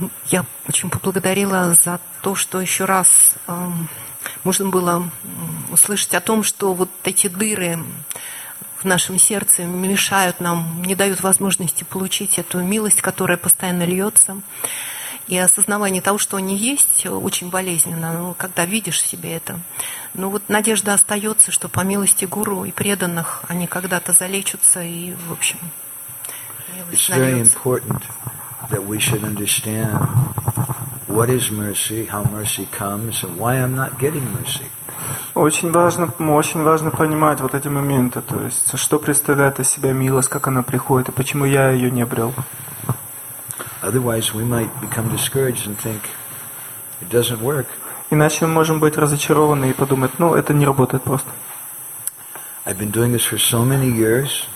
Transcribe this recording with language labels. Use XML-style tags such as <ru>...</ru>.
<ru>Я очень поблагодарила за то, что еще раз можно было услышать о том, что вот эти дыры в нашем сердце мешают нам, не дают возможности получить эту милость, которая постоянно льется. И осознавание того, что они есть, очень болезненно, но когда видишь в себе это. Но вот надежда остается, что по милости Гуру и преданных они когда-то залечатся и, в общем, милость нальется.</ru> <en>That we should understand what is mercy, how mercy comes, and why I'm not getting mercy.</en> <ru>Очень важно понимать вот эти моменты, то есть что представляет из себя милость, как она приходит, и почему я ее не обрел.</ru> <en>Otherwise, we might become discouraged and think it doesn't work.</en> <ru>Иначе мы можем быть разочарованы и подумать, ну это не работает просто.</ru> <en>I've been doing this for so many years.</en>